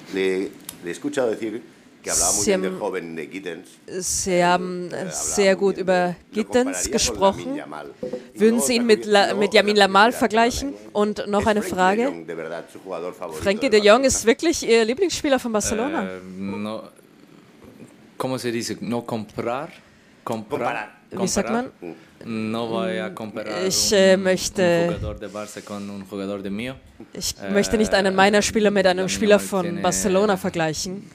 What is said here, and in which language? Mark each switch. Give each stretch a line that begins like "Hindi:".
Spanish: Le he escuchado decir que hablaba muy bien del joven de Gittens.
German: Sie haben sehr gut über Gittens gesprochen. Würden Sie ihn mit Lamine Yamal vergleichen? Und noch eine Frage. Frenkie de Jong ist wirklich Ihr Lieblingsspieler von Barcelona?
Spanish: ¿Cómo se dice? No comprar. Comparar.
German: Wie sagt man?
Spanish: No voy a comparar
German: ich möchte.
Spanish: Un jugador de Barça con un jugador de mío.
German: Ich möchte nicht einen meiner Spieler mit einem Spieler von Barcelona vergleichen.